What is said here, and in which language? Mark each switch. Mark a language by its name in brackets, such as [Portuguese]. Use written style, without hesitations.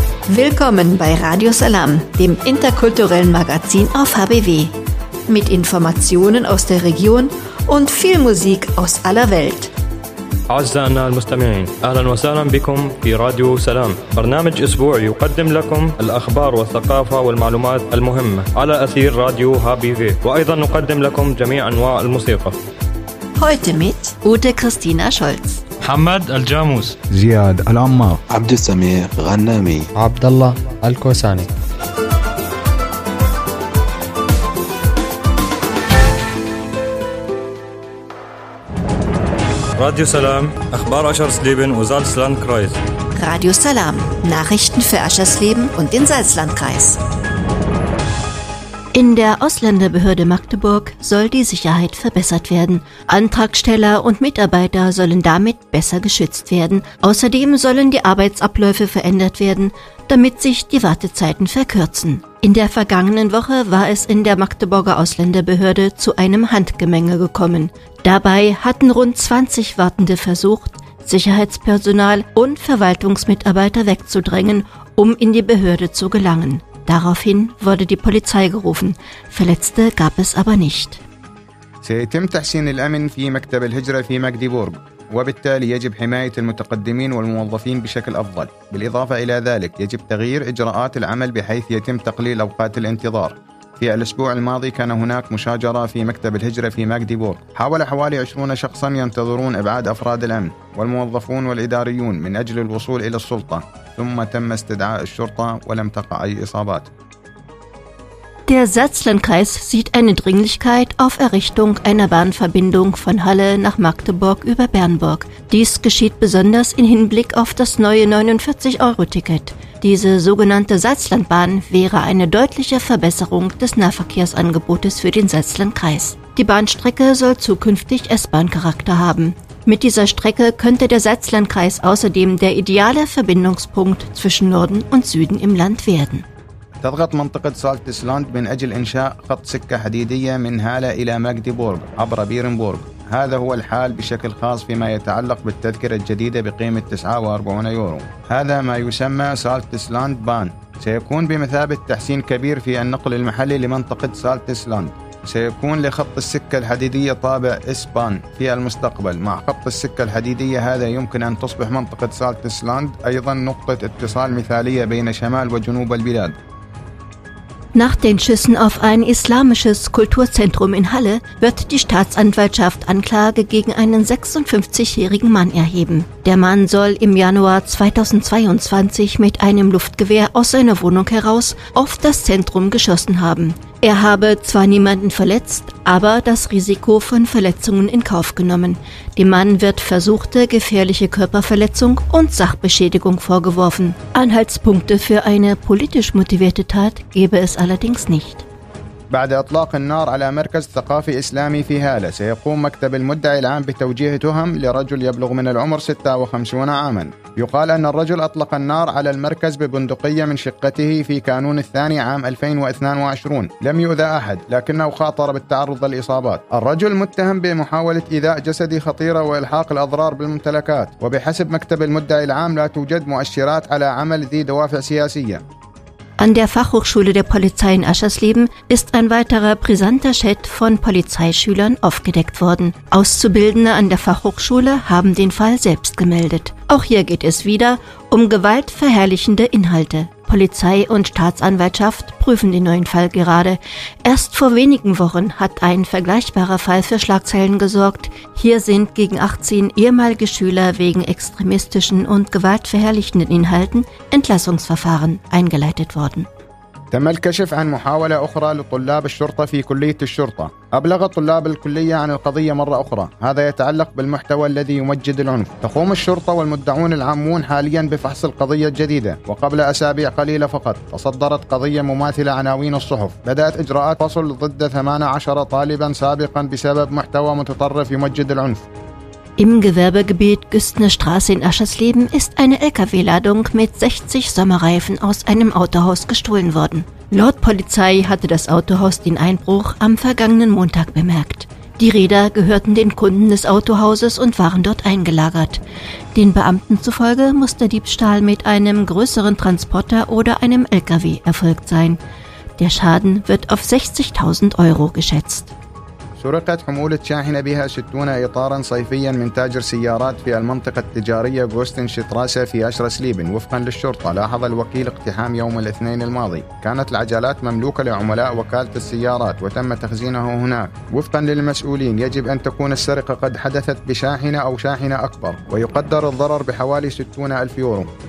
[German] Willkommen bei Radio Salam, dem interkulturellen Magazin auf HBW. Mit Informationen aus der Region und viel Musik aus aller Welt. [Arabic] أعزائنا المستمعين أهلا وسهلا بكم في راديو سلام برنامج أسبوع يقدم لكم الأخبار والثقافة والمعلومات المهمة على أثير راديو هابي في وأيضا نقدم لكم جميع أنواع الموسيقى [German] Heute mit Ute Christina Scholz [Arabic] محمد الجاموس زياد العمار عبد السمير غنامي عبد الله الكوساني [German] Radio Salam, Achbar Aschersleben und Salzlandkreis. Radio Salam, Nachrichten für Aschersleben und den Salzlandkreis. In der Ausländerbehörde Magdeburg soll die Sicherheit verbessert werden. Antragsteller und Mitarbeiter sollen damit besser geschützt werden. Außerdem sollen die Arbeitsabläufe verändert werden, damit sich die Wartezeiten verkürzen. In der vergangenen Woche war es in der Magdeburger Ausländerbehörde zu einem Handgemenge gekommen. Dabei hatten rund 20 Wartende versucht, Sicherheitspersonal und Verwaltungsmitarbeiter wegzudrängen, um in die Behörde zu gelangen. Daraufhin wurde die Polizei gerufen, Verletzte gab es aber nicht. [Arabic] سيتم تحسين الأمن في مكتب الهجرة في ماجديبورغ وبالتالي يجب حماية المتقدمين والموظفين بشكل أفضل. بالإضافة إلى ذلك يجب تغيير إجراءات العمل بحيث يتم تقليل أوقات الانتظار. في الأسبوع الماضي كان هناك مشاجرة في مكتب الهجرة في ماجديبورغ. حاول حوالي 20 شخصا ينتظرون إبعاد أفراد الأمن والموظفون والإداريون من أجل الوصول إلى السلطة. ثم تم استدعاء الشرطة ولم تقع أي إصابات. [German] Der Salzlandkreis sieht eine Dringlichkeit auf Errichtung einer Bahnverbindung von Halle nach Magdeburg über Bernburg. Dies geschieht besonders im Hinblick auf das neue 49-Euro-Ticket. Diese sogenannte Salzlandbahn wäre eine deutliche Verbesserung des Nahverkehrsangebotes für den Salzlandkreis. Die Bahnstrecke soll zukünftig S-Bahn-Charakter haben. Mit dieser Strecke könnte der Salzlandkreis außerdem der ideale Verbindungspunkt zwischen Norden und Süden im Land werden. [Arabic] تضغط منطقة سالتسلاند من أجل إنشاء خط سكة حديدية من هالة إلى ماجديبورغ عبر بيرنبورغ. هذا هو الحال بشكل خاص فيما يتعلق بالتذكرة الجديدة بقيمة 49 يورو. هذا ما يسمى سالتسلاند بان. سيكون بمثابة تحسين كبير في النقل المحلي لمنطقة سالتسلاند. سيكون لخط السكة الحديدية طابع إسبان في المستقبل. مع خط السكة الحديدية هذا يمكن أن تصبح منطقة سالتسلاند أيضا نقطة اتصال مثالية بين شمال وجنوب البلاد. [German] Nach den Schüssen auf ein islamisches Kulturzentrum in Halle wird die Staatsanwaltschaft Anklage gegen einen 56-jährigen Mann erheben. Der Mann soll im Januar 2022 mit einem Luftgewehr aus seiner Wohnung heraus auf das Zentrum geschossen haben. Er habe zwar niemanden verletzt, aber das Risiko von Verletzungen in Kauf genommen. Dem Mann wird versuchte gefährliche Körperverletzung und Sachbeschädigung vorgeworfen. Anhaltspunkte für eine politisch motivierte Tat gäbe es allerdings nicht. [Arabic] بعد إطلاق النار على مركز ثقافي إسلامي في هالة سيقوم مكتب المدعي العام بتوجيه تهم لرجل يبلغ من العمر 56 عاما يقال أن الرجل أطلق النار على المركز ببندقية من شقته في كانون الثاني عام 2022 لم يؤذى أحد لكنه خاطر بالتعرض للإصابات الرجل متهم بمحاولة إيذاء جسدي خطيرة وإلحاق الأضرار بالممتلكات وبحسب مكتب المدعي العام لا توجد مؤشرات على عمل ذي دوافع سياسية [German] An der Fachhochschule der Polizei in Aschersleben ist ein weiterer brisanter Chat von Polizeischülern aufgedeckt worden. Auszubildende an der Fachhochschule haben den Fall selbst gemeldet. Auch hier geht es wieder um gewaltverherrlichende Inhalte. Polizei und Staatsanwaltschaft prüfen den neuen Fall gerade. Erst vor wenigen Wochen hat ein vergleichbarer Fall für Schlagzeilen gesorgt. Hier sind gegen 18 ehemalige Schüler wegen extremistischen und gewaltverherrlichenden Inhalten Entlassungsverfahren eingeleitet worden. [Arabic] تم الكشف عن محاولة أخرى لطلاب الشرطة في كلية الشرطة أبلغ طلاب الكلية عن القضية مرة أخرى هذا يتعلق بالمحتوى الذي يمجد العنف تقوم الشرطة والمدعون العامون حاليا بفحص القضية الجديدة وقبل أسابيع قليلة فقط تصدرت قضية مماثلة عناوين الصحف بدأت إجراءات فصل ضد 18 طالبا سابقا بسبب محتوى متطرف يمجد العنف [German] Im Gewerbegebiet Güstnerstraße in Aschersleben ist eine LKW-Ladung mit 60 Sommerreifen aus einem Autohaus gestohlen worden. Laut Polizei hatte das Autohaus den Einbruch am vergangenen Montag bemerkt. Die Räder gehörten den Kunden des Autohauses und waren dort eingelagert. Den Beamten zufolge muss der Diebstahl mit einem größeren Transporter oder einem LKW erfolgt sein. Der Schaden wird auf 60.000 Euro geschätzt. [Arabic] سرقت حمولة شاحنة بها 60 إطارا صيفيا من تاجر سيارات في المنطقة التجارية غوستن شتراسة في أشرس ليبن وفقا للشرطة لاحظ الوكيل اقتحام يوم الاثنين الماضي كانت العجلات مملوكة لعملاء وكالة السيارات وتم تخزينها هناك وفقا للمسؤولين يجب أن تكون السرقة قد حدثت بشاحنة أو شاحنة أكبر ويقدر الضرر بحوالي 60,000 يورو.